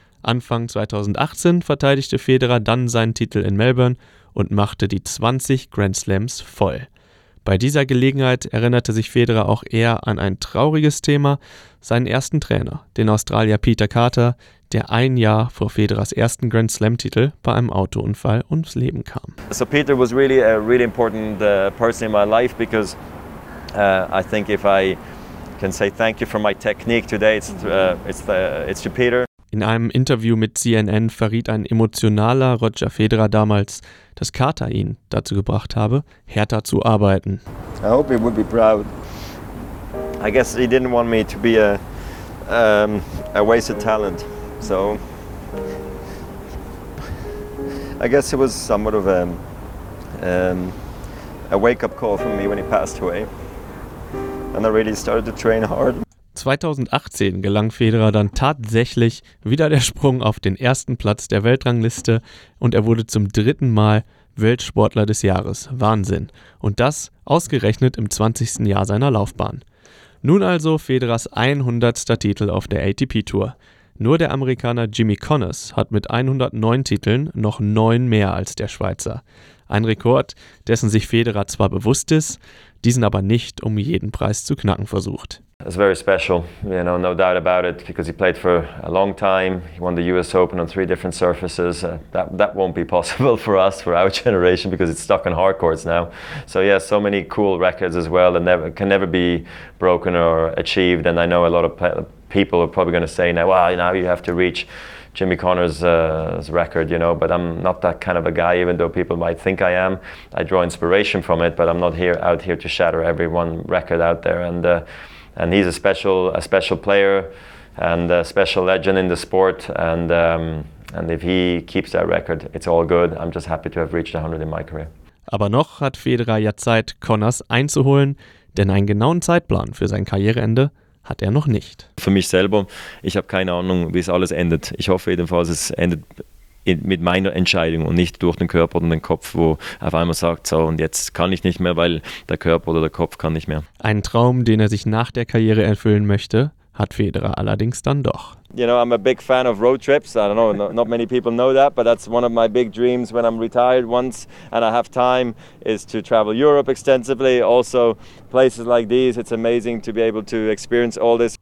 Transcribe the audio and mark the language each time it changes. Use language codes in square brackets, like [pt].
[de] Anfang 2018 verteidigte Federer dann seinen Titel in Melbourne und machte die 20 Grand Slams voll. Bei dieser Gelegenheit erinnerte sich Federer auch eher an ein trauriges Thema, seinen ersten Trainer, den Australier Peter Carter, der ein Jahr vor Federers ersten Grand Slam-Titel bei einem Autounfall ums Leben kam. [en] So Peter was really a really important person in my life because I think if I can say thank you for my technique today, it's to Peter. [de] In einem Interview mit CNN verriet ein emotionaler Roger Federer damals, dass Carter ihn dazu gebracht habe, härter zu arbeiten. [en] I hope he would be proud. I guess he didn't want me to be a wasted talent. So I guess it was somewhat of a wake-up call for me when he passed away. And I really started to train hard. [de] 2018 gelang Federer dann tatsächlich wieder der Sprung auf den ersten Platz der Weltrangliste und er wurde zum 3. Mal Weltsportler des Jahres. Wahnsinn. Und das ausgerechnet im 20. Jahr seiner Laufbahn. Nun also Federers 100. Titel auf der ATP-Tour. Nur der Amerikaner Jimmy Connors hat mit 109 Titeln noch 9 mehr als der Schweizer. Ein Rekord, dessen sich Federer zwar bewusst ist, diesen aber nicht um jeden Preis zu knacken versucht. [en] It's very special, you know, no doubt about it, because he played for a long time. He won the US Open on 3 different surfaces. That won't be possible for us, for our generation, because it's stuck on hard courts now. So yeah, so many cool records as well that can never be broken or achieved. And I know a lot of people are probably going to say now, well, now you have to reach Jimmy Connors' record, you know, but I'm not that kind of a guy, even though people might think I am. I draw inspiration from it, but I'm not out here to shatter every one record out there. And he's a special player and a special legend in the sport. And if he keeps that record, it's all good. I'm just happy to have reached 100 in my career. [de] Aber noch hat Federer ja Zeit, Connors einzuholen, denn einen genauen Zeitplan für sein Karriereende hat er noch nicht. Für mich selber, ich habe keine Ahnung, wie es alles endet. Ich hoffe jedenfalls, es endet mit meiner Entscheidung und nicht durch den Körper und den Kopf, wo auf einmal sagt, so und jetzt kann ich nicht mehr, weil der Körper oder der Kopf kann nicht mehr. Einen Traum, den er sich nach der Karriere erfüllen möchte, hat Federer allerdings dann doch. [en] You know, I'm a big fan of road trips. I don't know, not many people know that, but that's one of my big dreams when I'm retired once and I have time is to travel Europe extensively. Also places like these, it's amazing to be able to experience all this.